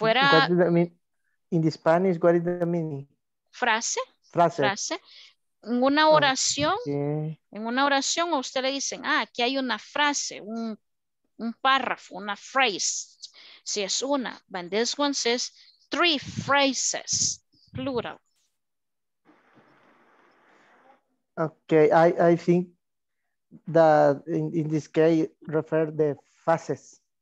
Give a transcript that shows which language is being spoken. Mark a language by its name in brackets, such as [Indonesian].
[English] What does that mean? In the Spanish, what is the meaning? [Spanish] frase. Frase. Frase. En una oración, en una oración, a usted le dicen, ah, aquí hay una frase, un párrafo, una phrase. Si es una, [English] but this one says three phrases, plural. Okay, I think that in this case refer the phases.